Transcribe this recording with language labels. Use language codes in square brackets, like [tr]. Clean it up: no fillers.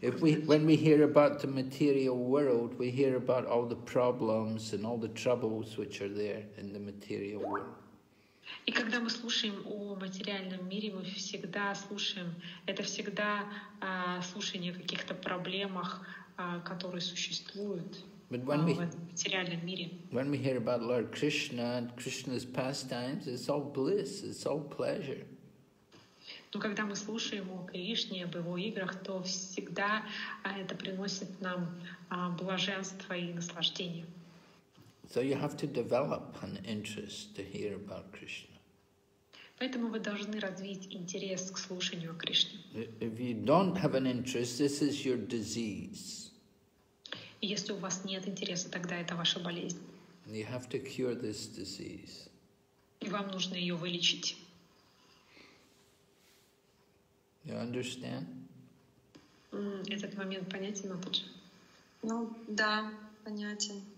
[en] When we hear about the material world, we hear about all the problems and all the troubles which are there in the material world. [ru] И когда мы слушаем о материальном мире, мы всегда слушаем, это всегда слушание о каких-то проблемах, которые существуют в материальном мире. [en] When we hear about Lord Krishna and Krishna's pastimes, it's all bliss, it's all pleasure. [ru] Но когда мы слушаем о Кришне, об его играх, то всегда это приносит нам блаженство и наслаждение. [en] So you have to develop an interest to hear about Krishna. [ru] Поэтому вы должны развить интерес к слушанию о Кришне. [en] If you don't have an interest, this is your disease. [ru] Если у вас нет интереса, тогда это ваша болезнь. [en] And you have to cure this disease. [ru] И вам нужно ее вылечить. [en] You understand? [ru] Этот момент понятен, Матаджи? Ну, да, понятен.